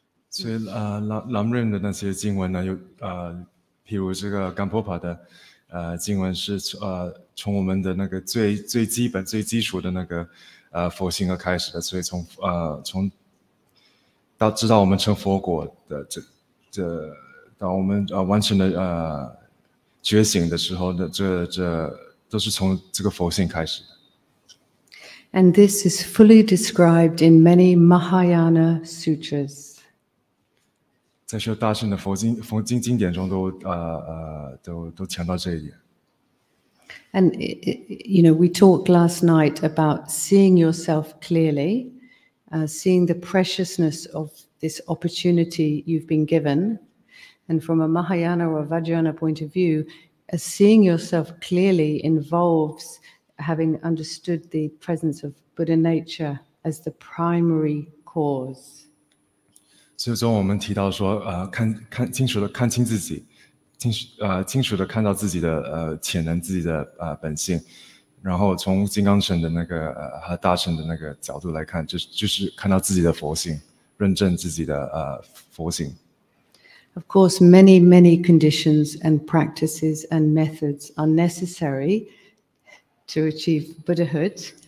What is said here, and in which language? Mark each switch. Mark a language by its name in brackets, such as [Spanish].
[Chinese] 所以Lamrim 的那些经文呢，有譬如这个Gampopa的经文是从我们的那个最基本最基础的那个佛性而开始的，所以从到知道我们成佛果的这到我们完成的觉醒的时候的这都是从这个佛性开始的。 [English] And this is fully described in many Mahayana sutras. [Chinese] 在许多大乘的佛经经典中都强调这一点。 [English] And you know, we talked last night about seeing yourself clearly, seeing the preciousness of this opportunity you've been given. And from a Mahayana or a Vajrayana point of view, seeing yourself clearly involves having understood the presence of Buddha nature as the primary cause. [Chinese] 所以说我们提到说看清楚的看清自己。清楚地看到自己的潜能自己的本性然后从金刚乘的那个和大乘的那个角度来看就是看到自己的佛性认证自己的佛性 [English] Of course, many, many conditions and practices and methods are necessary to achieve Buddhahood.